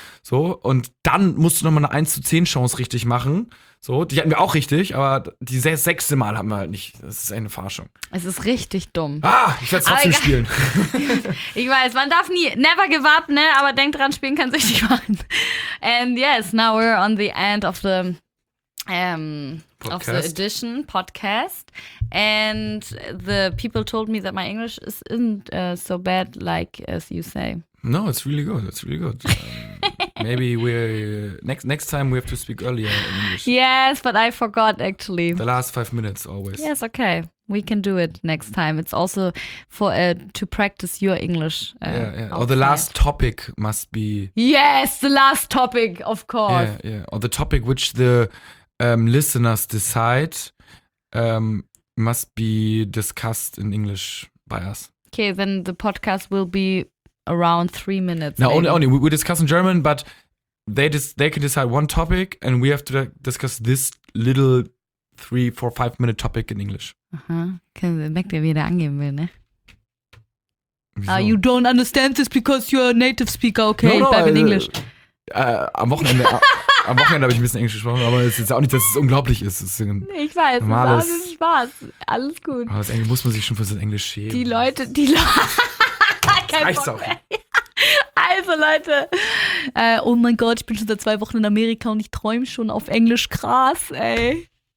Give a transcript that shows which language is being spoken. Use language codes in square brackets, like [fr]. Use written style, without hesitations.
[de] So, und dann musst du nochmal eine 1-10 Chance richtig machen. So, die hatten wir auch richtig, aber die 6. Mal haben wir halt nicht. Das ist eine Verarschung. Es ist richtig dumm. Ah, ich werde es trotzdem spielen. Ich weiß, man darf nie, [en] never give up, [de] ne? Aber denk dran, spielen kann sich nicht machen. [en] And yes, now we're on the end of the edition podcast. And the people told me that my English isn't so bad like as you say. No, it's really good. It's really good. maybe we're next time we have to speak earlier in English. Yes, but I forgot actually. The last 5 minutes always. Yes, okay. We can do it next time. It's also for to practice your English. Yeah. Or the last topic must be. Yes, the last topic, of course. Yeah. Or the topic which the listeners decide must be discussed in English by us. Okay, then the podcast will be around 3 minutes. No, only we discuss in German, but they can decide one topic, and we have to discuss this little 3-5 minute topic in English. [de] Aha, merkt ihr, wie er angeben will, ne? [en] You don't understand this because you're a native speaker, okay? No, in English. [de] Am Wochenende habe ich ein bisschen Englisch gesprochen, aber es ist auch nicht, dass es unglaublich ist. Es ist ein ich weiß, normales, es ist Spaß. Alles gut. Aber das Englisch muss man sich schon für sein Englisch schämen. Reicht's auch. Also Leute, oh mein Gott, ich bin schon seit 2 Wochen in Amerika und ich träume schon auf Englisch, krass, ey.